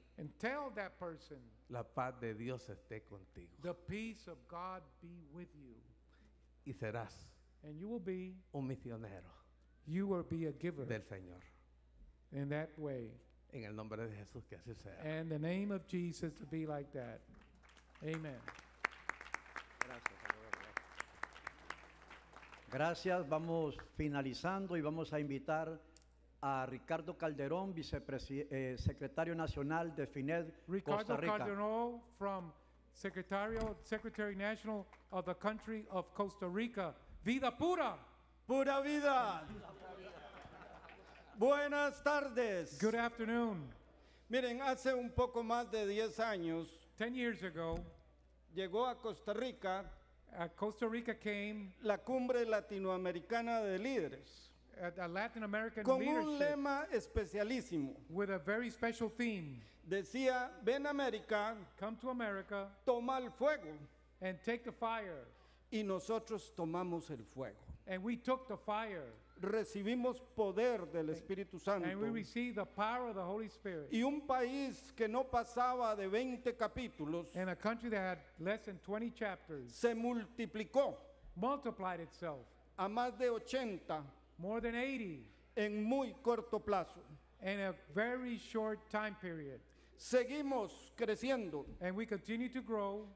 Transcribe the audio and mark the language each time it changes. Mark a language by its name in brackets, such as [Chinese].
[English] and tell that person, [Spanish] la paz de Dios esté contigo, [English] the peace of God be with you, [Spanish] y serás, [English] and you will be, [Spanish] un misionero, [English] you will be a giver [Spanish] del Señor, [English] in that way, [Spanish] en el nombre de Jesús que así sea, [English] and the name of Jesus to be like that, amen. [Spanish] Gracias. Gracias, vamos finalizando y vamos a invitar a Ricardo Calderón, secretario nacional de FINED Ricardo Costa Rica. [English] Ricardo Calderón from Secretary National of the country of Costa Rica. [Spanish] Vida pura. Pura vida. Buenas tardes. [English] Good afternoon. [Spanish] Miren, hace un poco más de 10 años, [English] 10 years ago, [Spanish] llegó a Costa Rica. [English] At Costa Rica came [Spanish] la cumbre latinoamericana de líderes, [English] a Latin American [Spanish] con un lema especialísimo, [English] with a very special theme. [Spanish] Decía, ven a América, [English] come to America, [Spanish] toma el fuego, [English] and take the fire. [Spanish] Y nosotros tomamos el fuego, [English] and we took the fire. [Spanish] Recibimos poder del Espíritu Santo, [English] and we received the power of the Holy Spirit. [Spanish] Y un país que no pasaba de 20 capítulos, [English] and a country that had less than 20 chapters, [Spanish] se multiplicó, [English] multiplied itself, [Spanish] a más de 80, [English] more than 80, [Spanish] en muy corto plazo, [English] in a very short time period. [Spanish] Seguimos creciendo, [English] and we continue to grow.